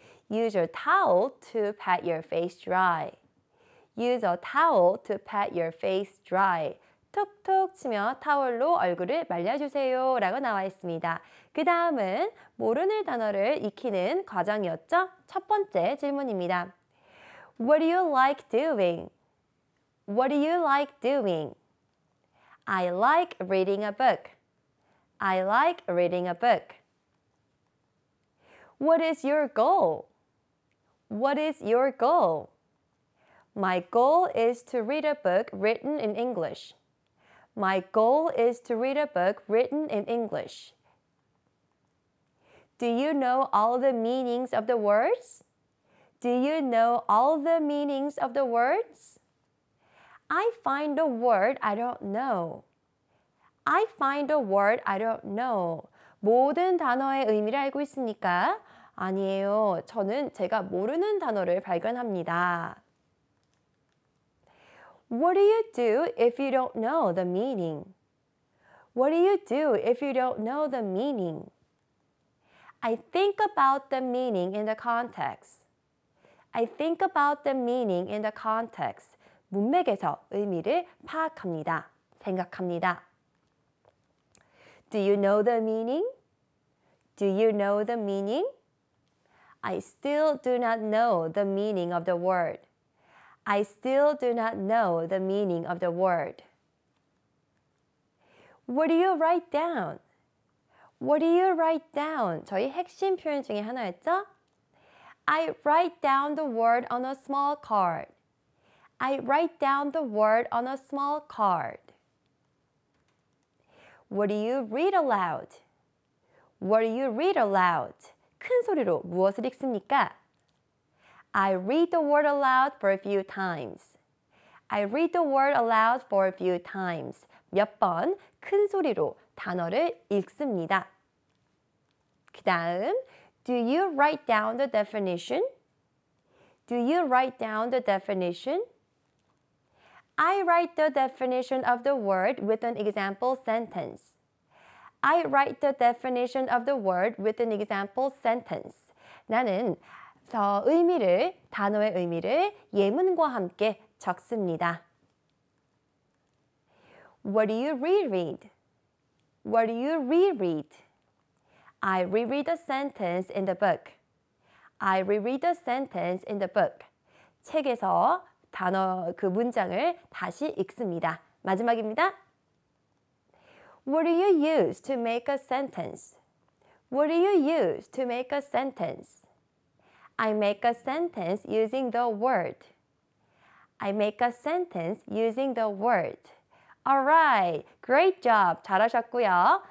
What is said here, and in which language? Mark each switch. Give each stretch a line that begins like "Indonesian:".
English: Use a towel to pat your face dry. Use a towel to pat your face dry.
Korean: 톡톡 치며 타월로 얼굴을 말려주세요 라고 나와 있습니다. 그 다음은 모르는 단어를 익히는 과정이었죠? 첫 번째 질문입니다.
English: What do you like doing? What do you like doing? I like reading a book. I like reading a book. What is your goal? What is your goal? My goal is to read a book written in English. My goal is to read a book written in English. Do you know all the meanings of the words? Do you know all the meanings of the words? I find a word I don't know. I find a word I don't know.
Korean: 모든 단어의 의미를 알고 있습니까? 아니에요. 저는 제가 모르는 단어를 발견합니다.
English: What do you do if you don't know the meaning? What do you do if you don't know the meaning? I think about the meaning in the context. I think about the meaning in the context.
Korean: 문맥에서 의미를 파악합니다. 생각합니다.
English: Do you know the meaning? Do you know the meaning? I still do not know the meaning of the word. I still do not know the meaning of the word. What do you write down? What do you write down?
Korean: 저희 핵심 표현 중에 하나였죠?
English: I write down the word on a small card. I write down the word on a small card. What do you read aloud? What do you read aloud?
Korean: 큰 소리로 무엇을 읽습니까?
English: I read the word aloud for a few times. I read the word aloud for a few times.
Korean: 몇 번 큰 소리로 단어를 읽습니다. 그 다음,
English: Do you write down the definition? Do you write down the definition? I write the definition of the word with an example sentence. I write the definition of the word with an example sentence.
Korean: 나는 더 의미를, 단어의 의미를 예문과 함께 적습니다.
English: What do you reread? What do you reread? I reread the sentence in the book. I reread the sentence in the book.
Korean: 책에서 단어 그 문장을 다시 읽습니다. 마지막입니다.
English: What do you use to make a sentence? What do you use to make a sentence? I make a sentence using the word. I make a sentence using the word. All right, great job.
Korean: 잘하셨고요.